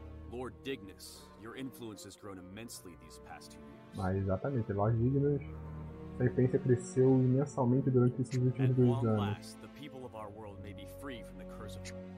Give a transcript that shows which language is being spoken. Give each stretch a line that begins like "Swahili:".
English: Lord Dignus, your influence has grown immensely these past 2 years.
Portuguese: Mas exatamente, Lord Dignus, sua influência cresceu imensamente durante esses últimos 2 anos.
English: The people of our world may be free from the curse of.